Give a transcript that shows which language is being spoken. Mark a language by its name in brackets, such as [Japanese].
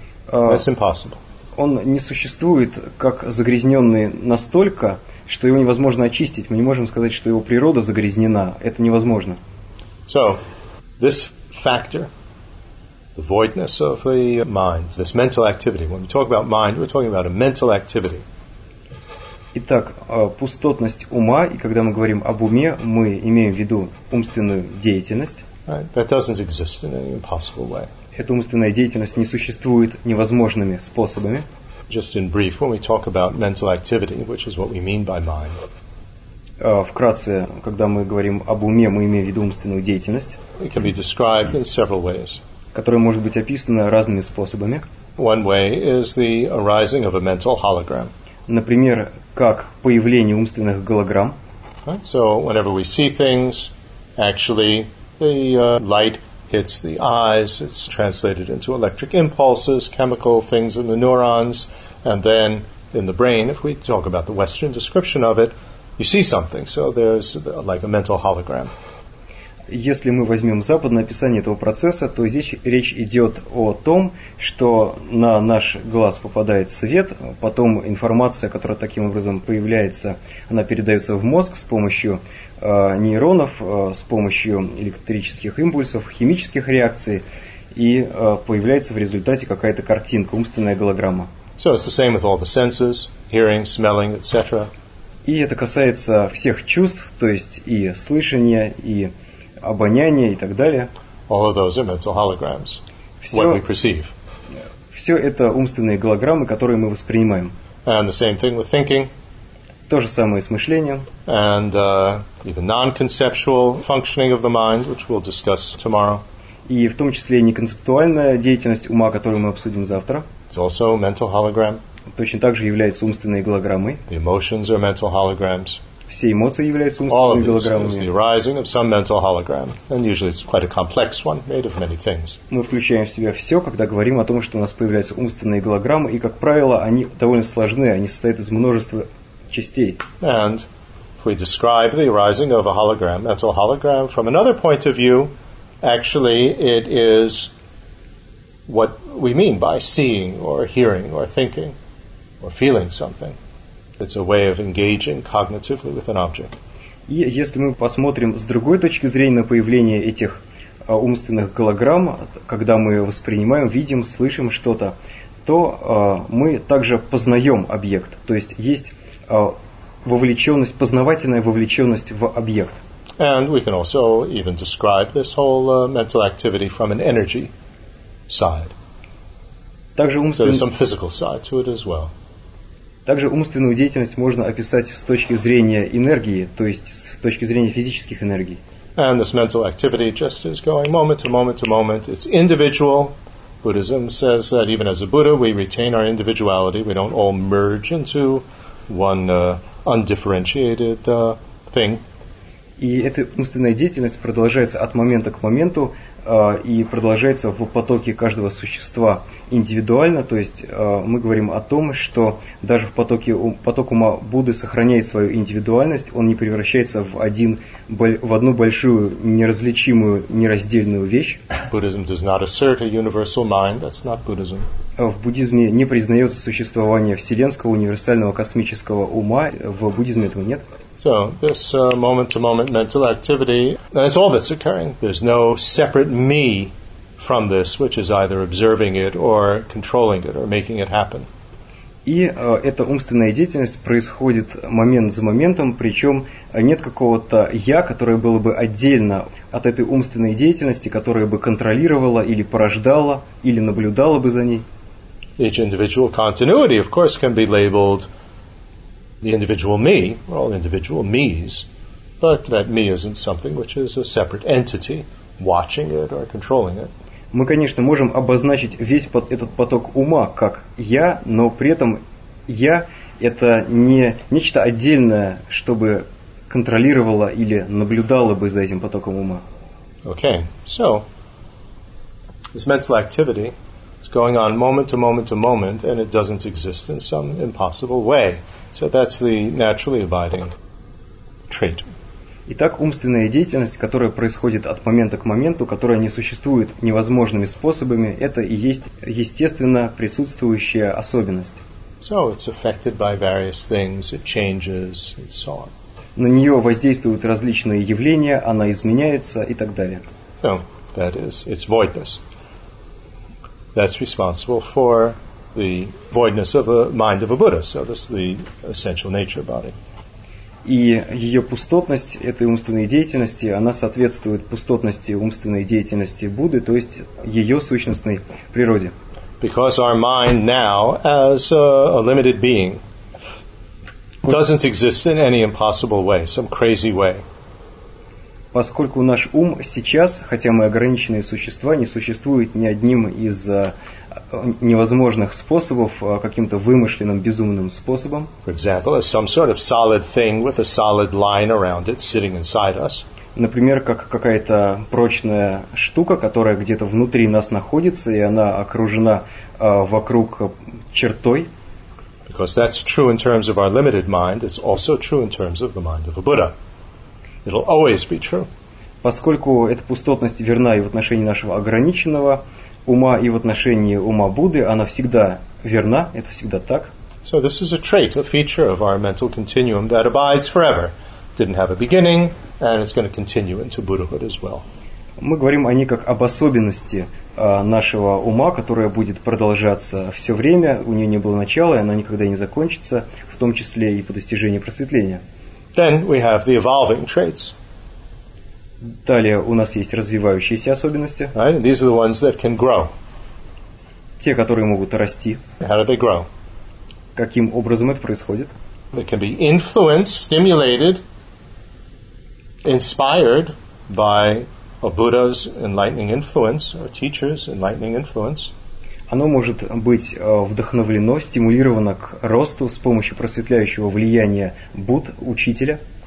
[English] That's impossible. [Russian] Он не существует как загрязненный настолько, что его невозможно очистить. Мы не можем сказать, что его природа загрязнена. Это невозможно. [English] So, this factor, the voidness of the mind, this mental activity. When we talk about mind, we're talking about a mental activity. [Russian] Итак, пустотность ума, и когда мы говорим об уме, мы имеем в виду умственную деятельность. [English] Right. That doesn't exist in any impossible way. [Russian] Эта умственная деятельность не существует невозможными способами. [English] Just in brief, when we talk about mental activity, which is what we mean by mind. [Russian] Вкратце, когда мы говорим об уме, мы имеем в виду умственную деятельность. [English] It can be described in several ways. [Russian] Которая может быть описана разными способами. [English] One way is the arising of a mental hologram. [Russian] Например, как появление умственных голограмм. [English] So whenever we see things, actually light hits the eyes, it's translated into electric impulses, chemical things in the neurons, and then in the brain, if we talk about the Western description of it, you see something. So there's like a mental hologram. [Russian] Если мы возьмем западное описание этого процесса, то здесь речь идет о том, что на наш глаз попадает свет, потом информация, которая таким образом появляется, она передается в мозг с помощью нейронов, с помощью электрических импульсов, химических реакций, и появляется в результате какая-то картинка, умственная голограмма. [English] So it's the same with all the senses, hearing, smelling, etc. [Russian] И это касается всех чувств, то есть и слышания, и обоняние и так далее. [English] All of those are mental holograms, what we perceive. [Russian] Все это умственные голограммы, которые мы воспринимаем. [English] And the same thing with thinking. [Russian] То же самое с мышлением. [English] And even non-conceptual functioning of the mind, which we'll discuss tomorrow. [Russian] И в том числе неконцептуальная деятельность ума, которую мы обсудим завтра. [English] It's also a mental hologram. [Russian] Точно так же являются умственные голограммы. [English] The emotions are mental holograms. [Russian] Все эмоции являются умственными голограммами. [English] All of these are the arising of some mental hologram, and usually it's quite a complex one, made of many things. [Russian] Мы включаем в себя все, когда говорим о том, что у нас появляются умственные голограммы, и как правило, они довольно сложны, они состоят из множества частей. [English] And if we describe the arising of a hologram, mental hologram, from another point of view, actually it is what we mean by seeing or hearing or thinking or feeling something. It's a way of engaging cognitively with an object. [Russian] И если мы посмотрим с другой точки зрения на появление этих умственных голограмм, когда мы воспринимаем, видим, слышим что-то, то мы также познаем объект. То есть есть вовлеченность, познавательная вовлеченность в объект. [English] And we can also even describe this whole mental activity from an energy side. [Russian] Также [English] so there's some physical side to it as well. [Russian] Также умственную деятельность можно описать с точки зрения энергии, то есть с точки зрения физических энергий. [English] And this mental activity just is going moment to moment to moment. It's individual. Buddhism says that even as a Buddha, we retain our individuality. We don't all merge into one undifferentiated thing. [Russian] И эта умственная деятельность продолжается от момента к моменту и продолжается в потоке каждого существа индивидуально, то есть мы говорим о том, что даже в потоке поток ума Будды сохраняет свою индивидуальность, он не превращается в один в одну большую неразличимую нераздельную вещь. [English] Buddhism does not assert a universal mind. That's not Buddhism. [Russian] В буддизме не признается существование вселенского универсального космического ума. В буддизме этого нет. [English] So this moment-to-moment mental activity, that's all that's occurring. There's no separate me from this, which is either observing it or controlling it or making it happen. [Russian] И эта умственная деятельность происходит момент за моментом, причем нет какого-то «я», которое было бы отдельно от этой умственной деятельности, которое бы контролировало или порождало, или наблюдало бы за ней. [English] Each individual continuity, of course, can be labeled the individual me, we're all individual me's, but that me isn't something which is a separate entity watching it or controlling it. [Russian] Мы, конечно, можем обозначить весь этот поток ума как я, но при этом я – это не нечто отдельное, чтобы контролировало или наблюдало бы за этим потоком ума. [English] Okay, so this mental activity is going on moment to moment to moment, and it doesn't exist in some impossible way. So that's the naturally abiding trait. [Russian] Итак, умственная деятельность, которая происходит от момента к моменту, которая не существует невозможными способами, это и есть естественно присутствующая особенность. [English] So it's affected by various things, it changes, and so on. [Russian] На нее воздействуют различные явления, она изменяется и так далее. [English] So that is its voidness. That's responsible for the voidness of a mind of a Buddha. So this is the essential nature body. [Russian] И ее пустотность этой умственной деятельности, она соответствует пустотности умственной деятельности Будды, то есть ее сущностной природе. [English] Because our mind now, as a limited being, doesn't exist in any impossible way, some crazy way. [Russian] Поскольку наш ум сейчас, хотя мы ограниченные существа, не существует ни одним из невозможных способов, каким-то вымышленным, безумным способом. [English] For example, as some sort of solid thing with a solid line around it sitting inside us. [Russian] например, как какая-то прочная штука, которая где-то внутри нас находится, и она окружена вокруг чертой. [English] Because that's true in terms of our limited mind, it's also true in terms of the mind of a Buddha. It'll always be true. [Russian] Поскольку эта пустотность верна и в отношении нашего ограниченного ума, и в отношении ума Будды, она всегда верна, это всегда так. [English] So this is a trait, a feature of our mental continuum that abides forever. Didn't have a beginning, and it's going to continue into Buddhahood as well. [Russian] Мы говорим о ней как об особенности нашего ума, которая будет продолжаться все время, у нее не было начала, и она никогда не закончится, в том числе и по достижению просветления. [English] Then we have the evolving traits. [Russian] Далее у нас есть развивающиеся особенности. [English] Right? These are the ones that can grow. [Russian] Те, которые могут расти. [English] How do they grow? [Russian] Каким образом это происходит? [English] They can be influenced, stimulated, inspired by a Buddha's enlightening influence or teacher's enlightening influence. [Russian] Оно может быть вдохновлено, стимулировано к росту с помощью просветляющего влияния Будд, учителя.